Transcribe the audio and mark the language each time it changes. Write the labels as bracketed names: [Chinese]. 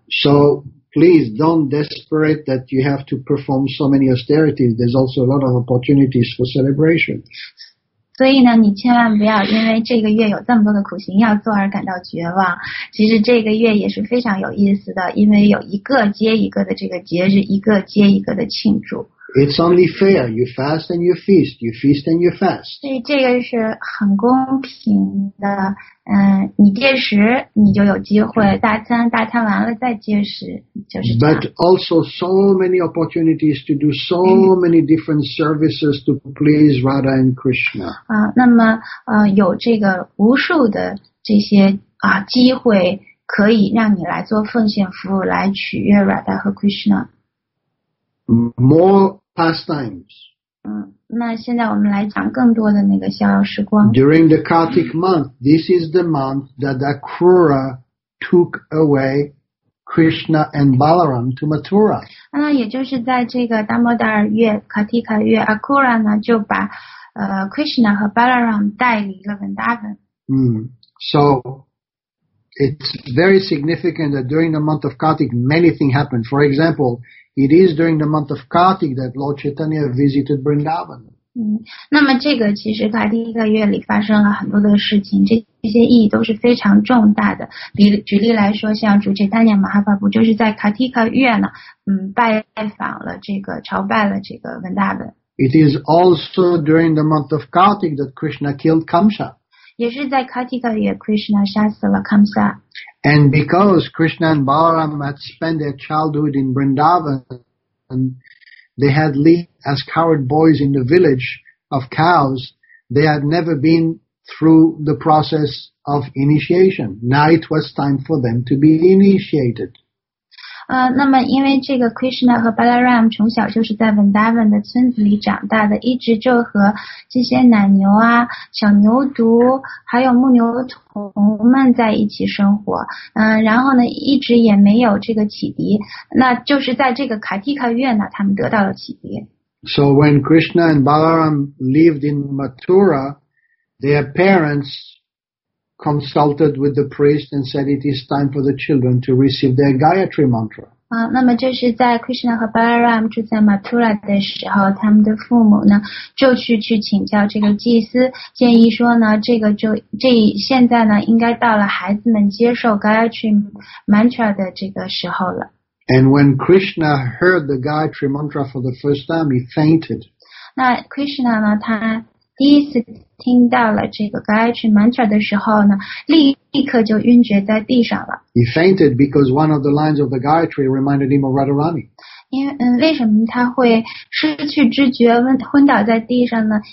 [English] So,Please don't desperate that you have to perform so many austerities. There's also a lot of opportunities for celebration. [Chinese] 所以呢，你千万不要因为这个月有这么多的苦行要做而感到绝望。其实这个月也是非常有意思的，因为有一个接一个的这个节日，一个接一个的庆祝。 [English] It's only fair. You fast and you feast. You feast and you fast. [Chinese] 所以这个是很公平的。你戒食你就有机会，大餐大餐完了再戒食，就是这样。 [English] But also so many opportunities to do so many different services to please Radha and Krishna. [Chinese] 那么有这个无数的这些机会可以让你来做奉献服务，来取悦 Radha 和 Krishna。 [English] More pastimes. [Chinese] 那现在我们来讲更多的那个逍遥时光。 [English] During the Kartik month, this is the month that Akrura took away Krishna and Balaram to Mathura. [Chinese] 那也就是在这个达摩达尔月 Kartika 月 ，Akrura 呢就把Krishna 和 Balaram 带离了 Vrindavan. [English] So it's very significant that during the month of Kartik, many things happen. For example. It is during the month of Kartik that Lord Chaitanya visited Vrindavan. [Chinese] 那么这个其实他第一个月里发生了很多的事情，这些意义都是非常重大的。举例来说，像主持丹尼尔马哈巴布就是在卡蒂卡月呢，拜访了这个，朝拜了这个文大本。 [English] It is also during the month of Kartik that Krishna killed Kamsa. [Chinese] 也是在卡蒂卡月 ，Krishna 杀死了 Kamsa。 [English] And because Krishna and Balaram had spent their childhood in Vrindavan, they had lived as cowherd boys in the village of cows, they had never been through the process of initiation. Now it was time for them to be initiated. [Chinese] 那么因为这个 Krishna 和 Balaram 从小就是在 Vrindavan 的村子里长大的，一直就和这些奶牛啊、小牛犊还有牧牛童们在一起生活。然后呢，一直也没有这个启迪。那就是在这个 Kartika 月呢，他们得到了启迪。 [English] So when Krishna and Balaram lived in Mathura, their parents consulted with the priest and said it is time for the children to receive their Gayatri mantra. [Chinese] 那么这是在 Krishna 和 Balaram 住在 Mathura 的时候，他们的父母呢就去请教这个祭司，建议说呢，现在呢应该到了孩子们接受 Gayatri mantra 的这个时候了。 [English] And when Krishna heard the Gayatri mantra for the first time, he fainted. [Chinese] 那 Krishna 呢，他第一次听到了这个 Gayatri Mantra 的时候呢，立刻就晕厥在地上了。 [English] He fainted because one of the lines of the Gayatri reminded him of Radharani. [Chinese] 为什么他会失去知觉昏倒在地上呢？